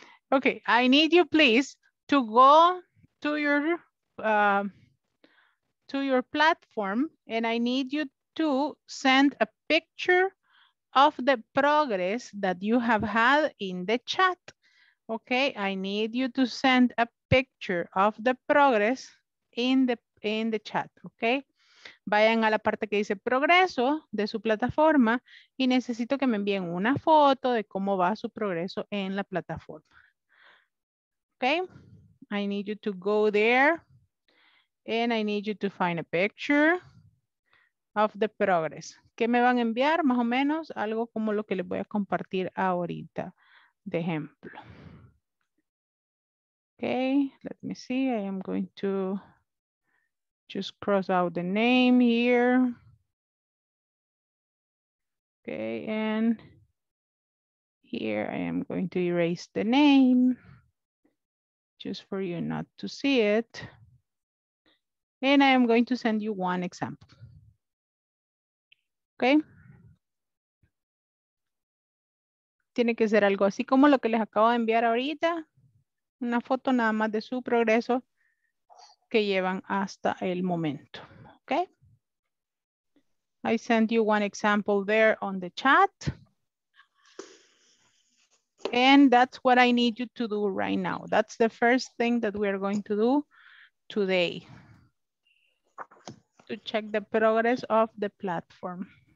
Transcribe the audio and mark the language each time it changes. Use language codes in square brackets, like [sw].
[en] Okay, I need you, please, to go to your platform, and I need you to send a picture of the progress that you have had in the chat. Okay, I need you to send a picture of the progress in the chat. [es] Okay, vayan a la parte que dice progreso de su plataforma y necesito que me envíen una foto de cómo va su progreso en la plataforma. [en] Okay. I need you to go there and I need you to find a picture of the progress. [es] ¿Qué me van a enviar? Más o menos algo como lo que les voy a compartir ahorita de ejemplo. [en] Okay, let me see. I am going to just cross out the name here. Okay, and here I am going to erase the name. Just for you not to see it. And I am going to send you one example. Okay. [es] Tiene que ser algo así como lo que les acabo de enviar ahorita. Una foto nada más de su progreso que llevan hasta el momento. [en] Okay. I send you one example there on the chat. And that's what I need you to do right now. That's the first thing that we are going to do today, to check the progress of the platform.